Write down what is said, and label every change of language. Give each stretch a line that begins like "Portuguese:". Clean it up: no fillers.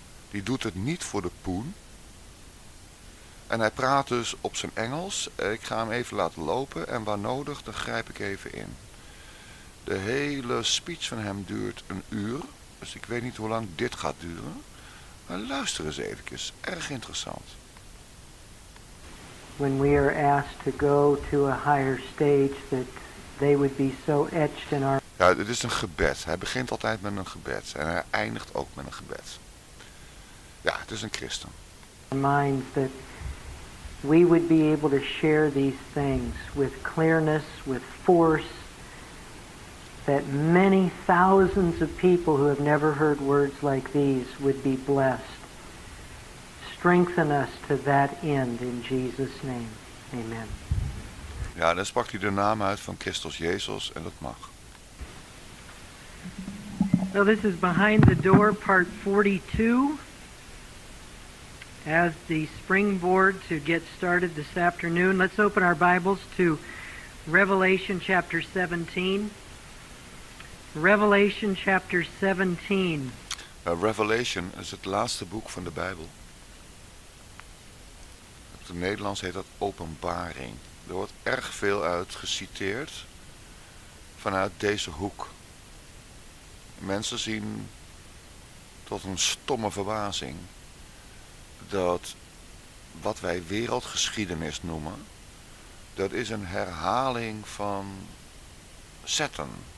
Dutch: Die doet het niet voor de poen. En hij praat dus op zijn Engels. Ik ga hem even laten lopen en waar nodig, dan grijp ik even in. De hele speech van hem duurt een uur, dus ik weet niet hoe lang dit gaat duren. Maar luister eens eventjes, erg interessant.
English: When we are asked to go to a higher stage, that they would be so etched in our.
Dutch: Ja, dit is een gebed. Hij begint altijd met een gebed en hij eindigt ook met een gebed. Ja, het is een christen.
English: Mind that we would be able to share these things with clearness, with force. That many thousands of people who have never heard words like these would be blessed. Strengthen us to that end in Jesus' name. Amen.
Dutch: Ja, dan sprak hij de naam uit van Christus Jezus en dat mag.
English: Well, this is Behind the Door, part 42. As the springboard to get started this afternoon, let's open our Bibles to Revelation chapter 17. Revelation chapter 17.
Dutch: Revelation is het laatste boek van de Bijbel. Op het Nederlands heet dat Openbaring. Er wordt erg veel uit geciteerd vanuit deze hoek. Mensen zien tot een stomme verbazing dat wat wij wereldgeschiedenis noemen, dat is een herhaling van zetten.